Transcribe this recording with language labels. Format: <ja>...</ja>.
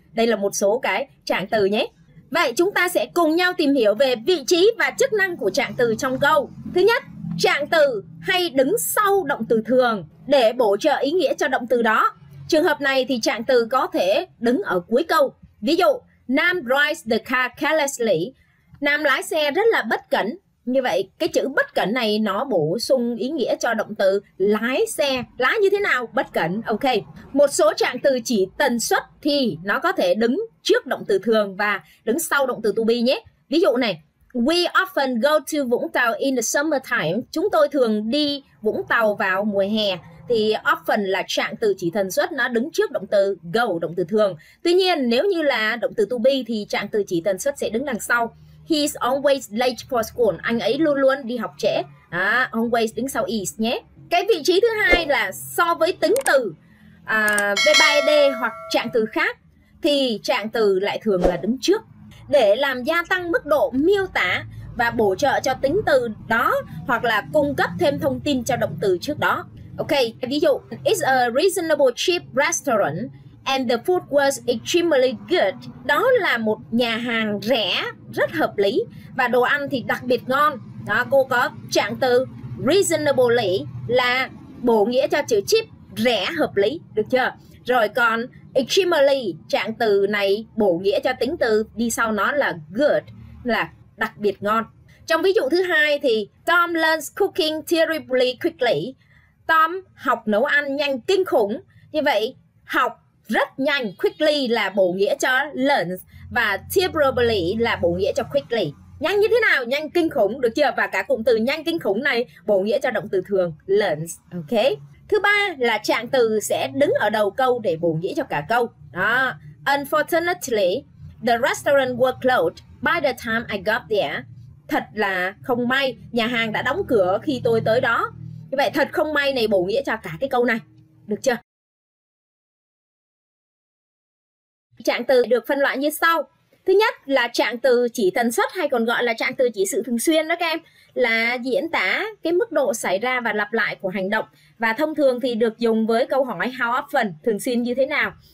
<vi>Đây là một số cái trạng từ nhé. Vậy chúng ta sẽ cùng nhau tìm hiểu về vị trí và chức năng của trạng từ trong câu. Thứ nhất, trạng từ hay đứng sau động từ thường để bổ trợ ý nghĩa cho động từ đó. Trường hợp này thì trạng từ có thể đứng ở cuối câu. Ví dụ,</vi> <en>Nam drives the car carelessly.</en> <vi>Nam lái xe rất là bất cẩn. Như vậy, cái chữ bất cẩn này nó bổ sung ý nghĩa cho động từ lái xe. Lái như thế nào? Bất cẩn, ok. Một số trạng từ chỉ tần suất thì nó có thể đứng trước động từ thường và đứng sau động từ to be nhé. Ví dụ này,</vi> <en>we often go to Vũng Tàu in the summertime.</en> <vi>Chúng tôi thường đi Vũng Tàu vào mùa hè. Thì often là trạng từ chỉ tần suất, nó đứng trước động từ go, động từ thường. Tuy nhiên, nếu như là động từ to be thì trạng từ chỉ tần suất sẽ đứng đằng sau.</vi> <en>He's always late for school.</en> <vi>Anh ấy luôn luôn đi học trễ. À, always đứng sau is nhé. Cái vị trí thứ hai là so với tính từ verb ID hoặc trạng từ khác thì trạng từ lại thường là đứng trước để làm gia tăng mức độ miêu tả và bổ trợ cho tính từ đó hoặc là cung cấp thêm thông tin cho động từ trước đó. Ok, ví dụ,</vi> <en>it's a reasonable cheap restaurant and the food was extremely good.</en> <vi>Đó là một nhà hàng rẻ, rất hợp lý và đồ ăn thì đặc biệt ngon. Đó, cô có trạng từ reasonably là bổ nghĩa cho chữ cheap, rẻ, hợp lý, được chưa? Rồi còn extremely, trạng từ này bổ nghĩa cho tính từ đi sau nó là good, là đặc biệt ngon. Trong ví dụ thứ hai thì</vi> <en>Tom learns cooking terribly quickly.</en> <vi>Tom học nấu ăn nhanh kinh khủng. Như vậy, học rất nhanh, quickly là bổ nghĩa cho learn và terribly là bổ nghĩa cho quickly. Nhanh như thế nào? Nhanh kinh khủng, được chưa? Và cả cụm từ nhanh kinh khủng này bổ nghĩa cho động từ thường learn, ok? Thứ ba là trạng từ sẽ đứng ở đầu câu để bổ nghĩa cho cả câu. Đó.</vi> <en>Unfortunately, the restaurant was closed by the time I got there.</en> <vi>Thật là không may, nhà hàng đã đóng cửa khi tôi tới đó. Như vậy thật không may này bổ nghĩa cho cả cái câu này. Được chưa? Trạng từ được phân loại như sau. Thứ nhất là trạng từ chỉ tần suất hay còn gọi là trạng từ chỉ sự thường xuyên đó các em, là diễn tả cái mức độ xảy ra và lặp lại của hành động và thông thường thì được dùng với câu hỏi</vi> <en>how often,</en> <vi>thường xuyên như thế nào.</vi>